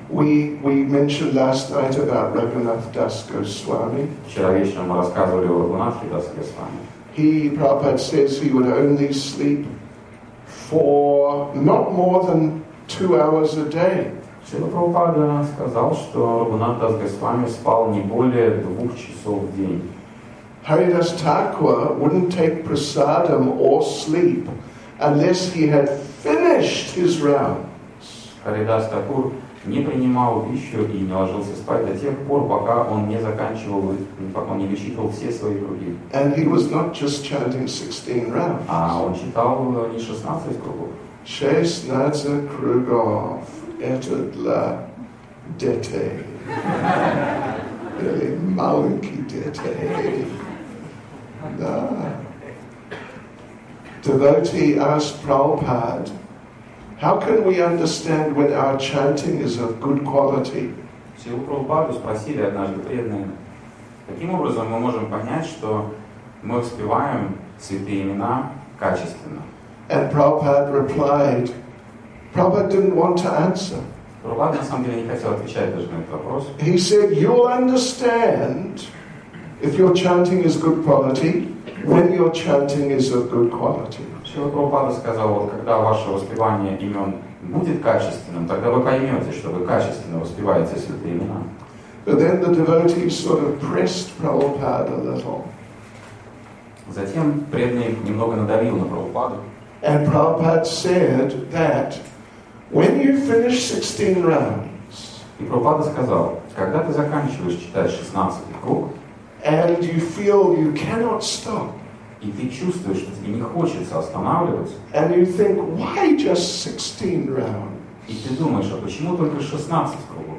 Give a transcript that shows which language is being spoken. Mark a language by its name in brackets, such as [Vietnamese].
[English] We mentioned last night about Raghunath Das Goswami. [Russian] Вчера вечером мы рассказывали о Раганатхе Дас Госвами. [English] He, Prabhupada says, he would only sleep for not more than 2 hours a day. [Russian] Шрила Прабхупада сказал, что Раганатх Дас Госвами спал не более 2 часов в день. [English] Haridas Thakur wouldn't take prasadam or sleep unless he had finished his rounds. [Russian] Haridas Thakur не принимал пищу и не ложился спать до тех пор, пока он не заканчивал, пока он не высчитывал все свои круги. [English] And he was not just chanting 16 rounds. [Russian] А он читал не 16 кругов. 16 кругов это для детей. [English] Really [Russian] маленький детей. [English] Devotee asked Prabhupada, how can we understand when our chanting is of good quality? [Russian] Шрилу Прабхупаду спросили однажды преданные, каким образом мы можем понять, что мы воспеваем святые имена качественно? [English] And Prabhupada replied, Prabhupada didn't want to answer. [Russian] Прабхупада на самом деле не хотел отвечать даже на этот вопрос. [English] He said, you'll understand if your chanting is good quality, when your chanting is of good quality. [Russian] Шрила Прабхупада сказал, вот когда ваше воспевание имен будет качественным, тогда вы поймете, что вы качественно воспеваете святые имена. [English] But then the devotee sort of pressed Prabhupada a little. [Russian] Затем преданный немного надавил на Прабхупаду. [English] And Prabhupada said that when you finish 16 rounds. [Russian] И Прабхупада сказал, когда ты заканчиваешь читать 16 круг, [English] and you feel you cannot stop. [Russian] И ты чувствуешь, что тебе не хочется останавливаться. [English] And you think, why just 16 rounds? [Russian] И ты думаешь, а почему только 16 кругов?